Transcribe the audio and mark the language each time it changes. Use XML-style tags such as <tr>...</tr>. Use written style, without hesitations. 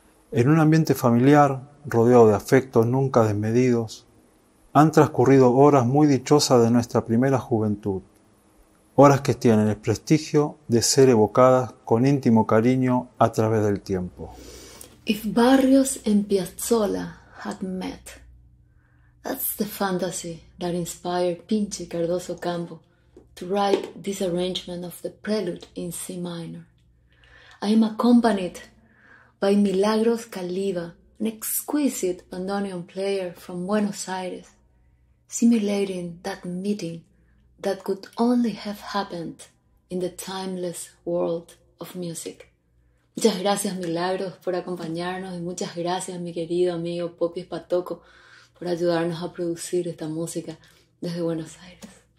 <es>En un ambiente familiar, rodeado de afectos nunca desmedidos, han transcurrido horas muy dichosas de nuestra primera juventud, horas que tienen el prestigio de ser evocadas con íntimo cariño a través del tiempo.</es> <en>If Barrios and Piazzolla had met, that's the fantasy that inspired Pinche Cardoso Campo to write this arrangement of the prelude in C minor. I am accompanied by Milagros Caliba, an exquisite bandoneon player from Buenos Aires, simulating that meeting that could only have happened in the timeless world of music.</en> <es>Muchas gracias, Milagros, por acompañarnos y muchas gracias, mi querido amigo Popi Spatoco, por ayudarnos a producir esta música desde Buenos Aires.</es>